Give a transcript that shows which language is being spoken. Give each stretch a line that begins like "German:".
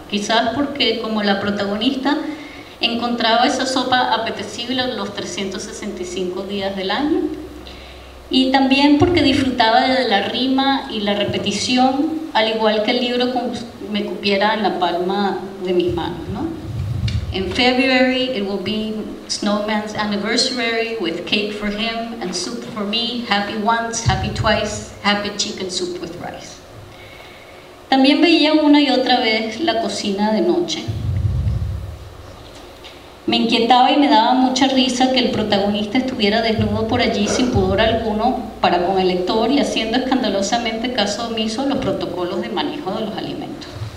Spanish: Quizás porque, como la protagonista, encontraba esa sopa apetecible en los 365 días del año. Y también porque disfrutaba de la rima y la repetición, al igual que el libro me cupiera en la palma de mis manos, ¿no?
English: In February, it will be Snowman's anniversary with cake for him and soup for me. Happy once, happy twice, happy chicken soup with rice.
Spanish: También veía una y otra vez la cocina de noche. Me inquietaba y me daba mucha risa que el protagonista estuviera desnudo por allí sin pudor alguno para con el lector y haciendo escandalosamente caso omiso a los protocolos de manejo de los alimentos.